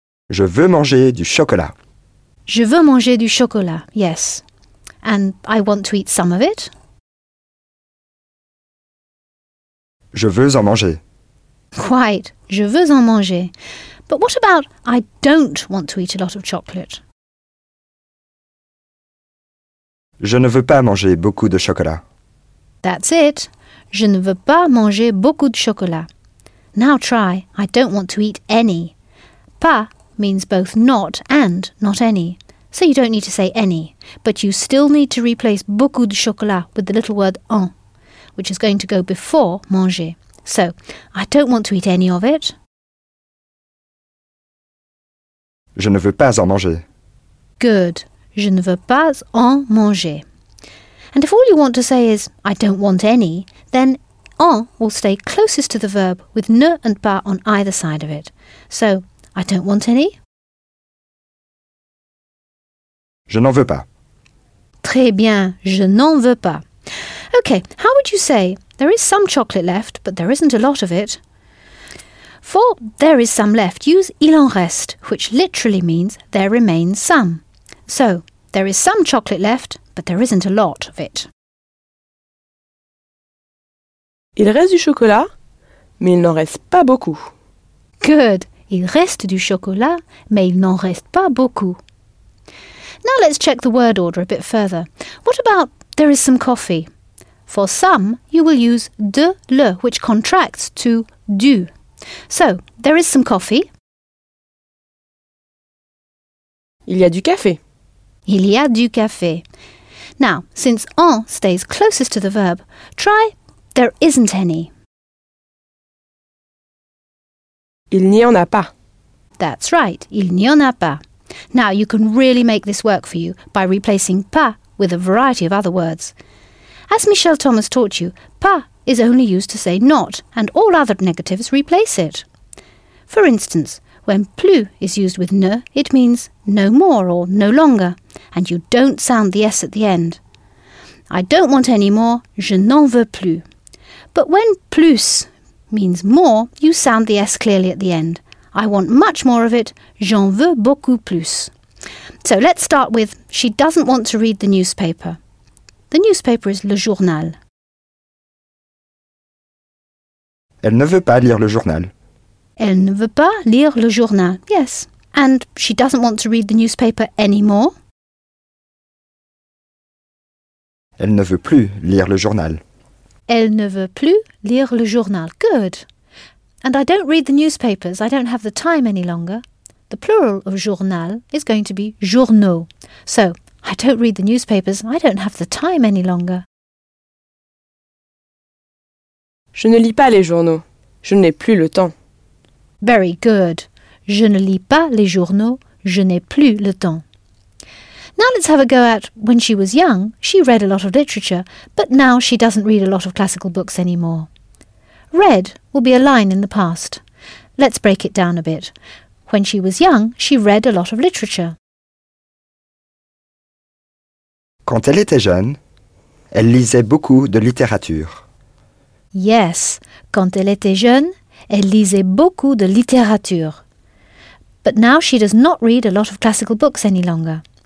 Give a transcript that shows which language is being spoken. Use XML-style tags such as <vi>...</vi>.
<fr>Je veux manger du chocolat. Je veux manger du chocolat, yes.</fr> <en>And I want to eat some of it.</en> <fr>Je veux en manger. Quite. Je veux en manger.</fr> <en>But what about I don't want to eat a lot of chocolate?</en> <fr>Je ne veux pas manger beaucoup de chocolat.</fr> <en>That's it.</en> <fr>Je ne veux pas manger beaucoup de chocolat.</fr> <en>Now try. I don't want to eat any. Pas means both not and not any. So you don't need to say any, but you still need to replace</en> <fr>beaucoup de chocolat</fr> <en>with the little word en, which is going to go before manger. So, I don't want to eat any of it.</en> <fr>Je ne veux pas en manger. Good. Je ne veux pas en manger.</fr> <en>And if all you want to say is, I don't want any, then en will stay closest to the verb with ne and pas on either side of it. So, I don't want any.</en> <fr>Je n'en veux pas. Très bien, je n'en veux pas.</fr> <en>Okay, how would you say, there is some chocolate left, but there isn't a lot of it? For there is some left, use il en reste, which literally means there remains some. So, there is some chocolate left, but there isn't a lot of it.</en> <fr>Il reste du chocolat, mais il n'en reste pas beaucoup.</fr> <en>Good.</en> <fr>Il reste du chocolat, mais il n'en reste pas beaucoup.</fr> <en>Now let's check the word order a bit further. What about there is some coffee? For some, you will use de, le, which contracts to du. So, there is some coffee.</en> <fr>Il y a du café. Il y a du café.</fr> <en>Now, since en stays closest to the verb, try there isn't any.</en> <fr>Il n'y en a pas.</fr> <en>That's right,</en> <fr>il n'y en a pas.</fr> <en>Now, you can really make this work for you by replacing pas with a variety of other words. As Michel Thomas taught you, pas is only used to say not, and all other negatives replace it. For instance, when plus is used with ne, it means no more or no longer, and you don't sound the s at the end. I don't want any more,</en> <fr>je n'en veux plus.</fr> <en>But when plus means more, you sound the s clearly at the end. I want much more of it,</en> <fr>j'en veux beaucoup plus.</fr> <en>So let's start with, she doesn't want to read the newspaper. The newspaper is le journal.</en> <fr>Elle ne veut pas lire le journal. Elle ne veut pas lire le journal, yes.</fr> <en>And she doesn't want to read the newspaper anymore.</en> <fr>Elle ne veut plus lire le journal. Elle ne veut plus lire le journal.</fr> <en>Good. And I don't read the newspapers. I don't have the time any longer. The plural of journal is going to be journaux. So, I don't read the newspapers. I don't have the time any longer.</en> <fr>Je ne lis pas les journaux. Je n'ai plus le temps.</fr> <en>Very good.</en> <fr>Je ne lis pas les journaux. Je n'ai plus le temps.</fr> <en>Now let's have a go at when she was young, she read a lot of literature, but now she doesn't read a lot of classical books anymore. Read will be a line in the past. Let's break it down a bit. When she was young, she read a lot of literature.</en> <fr>Quand elle était jeune, elle lisait beaucoup de littérature. Yes, quand elle était jeune, elle lisait beaucoup de littérature.</fr> <en>But now she does not read a lot of classical books any longer.</en>